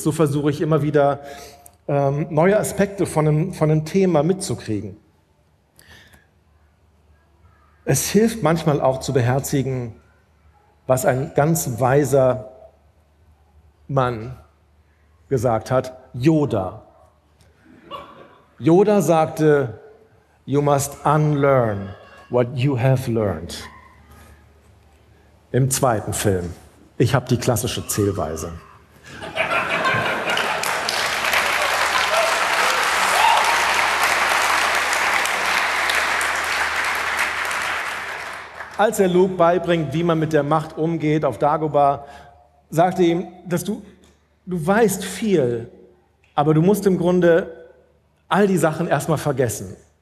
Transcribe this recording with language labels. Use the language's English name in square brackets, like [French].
[German] So versuche ich immer wieder, neue Aspekte von einem Thema mitzukriegen. Es hilft manchmal auch zu beherzigen, was ein ganz weiser Mann gesagt hat, Yoda. Yoda sagte, [English] you must unlearn what you have learned. [German] Im zweiten Film. Ich habe die klassische Zählweise. Als er Luke beibringt, wie man mit der Macht umgeht auf Dagobah, sagte ihm, dass du weißt viel, aber du musst im Grunde all die Sachen erstmal vergessen.